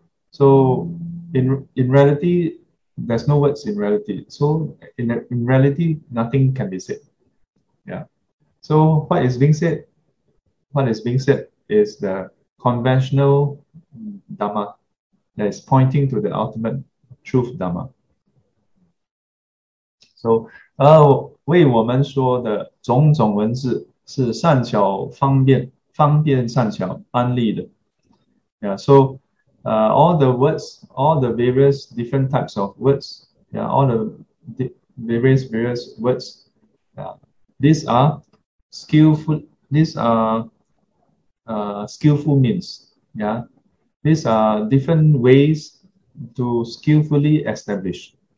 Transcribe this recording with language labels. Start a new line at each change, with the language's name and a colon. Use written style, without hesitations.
English: So in reality, there's no words in reality. So in reality, nothing can be said. Yeah. So what is being said? What is being said is the conventional Dharma that is pointing to the ultimate truth Dharma.
Chinese: So, 为我们说的种种文字是善巧方便善巧安利的.
English: Yeah, so all the words, all the various different types of words, yeah, all the various words, yeah, these are skillful means. Yeah, these are different ways to skillfully establish.